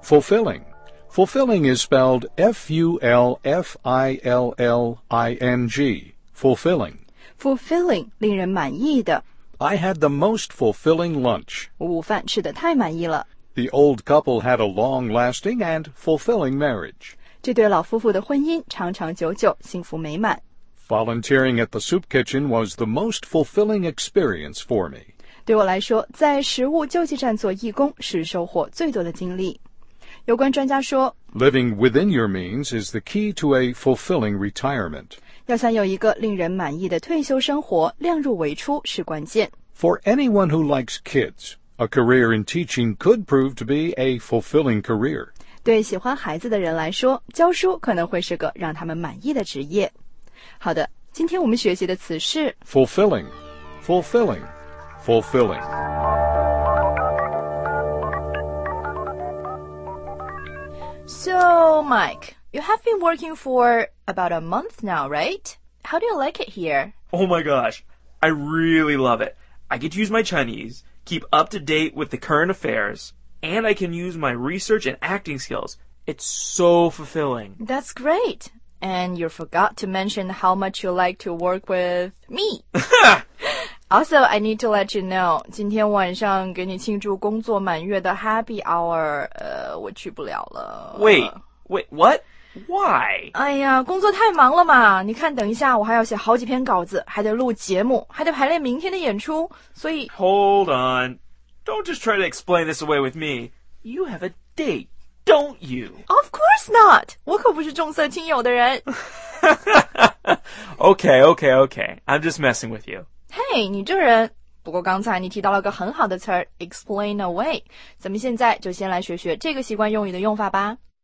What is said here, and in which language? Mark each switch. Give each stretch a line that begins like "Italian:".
English: Fulfilling. Fulfilling is spelled F-U-L-F-I-L-L-I-N-G. Fulfilling.
Chinese: Fulfilling, 令人满意的。
English: I had the most fulfilling lunch.
Chinese: 我午饭吃得太满意了。
English: The old couple had a long-lasting and fulfilling marriage.
Chinese: 这对老夫妇的婚姻长长久久，幸福美满。
English: Volunteering at the soup kitchen was the most fulfilling experience for me.
Chinese: 对我来说，在食物救济站做义工是收获最多的经历。有关专家说，
English: Living within your means is the key to a fulfilling retirement.
Chinese: 要想有一个令人满意的退休生活，量入为出是关键。
English: For anyone who likes kids, a career in teaching could prove to be a fulfilling career.
Chinese: 对喜欢孩子的人来说，教书可能会是个让他们满意的职业。好的，今天我们学习的词是
English: fulfilling, fulfilling, fulfilling.
Chinese: So, Mike...
English: You have been working for about a month now, right? How do you like it here? Oh my gosh, I really love it. I get to use my Chinese, keep up to date with the current affairs, and I can use my research and acting skills. It's so fulfilling. That's great. And you forgot to mention how much you like to work with me. Also, I need to let you know,
Chinese: 今天晚上给你庆祝工作满月的 happy hour, 我去不了了。
English: Wait, what? Why?
Chinese: 哎呀，工作太忙了嘛！你看，等一下我还要写好几篇稿子，还得录节目，还得排练明天的演出，所以
English: Hold on, don't just try to explain this away with me. You have a date, don't you? Of course not.
Chinese: 我可不是重色轻友的人。
English: Okay, okay, okay. I'm just messing with you.
Chinese: Hey, 你这人。不过刚才你提到了个很好的词儿 ，explain away. 咱们现在就先来学学这个习惯用语的用法吧。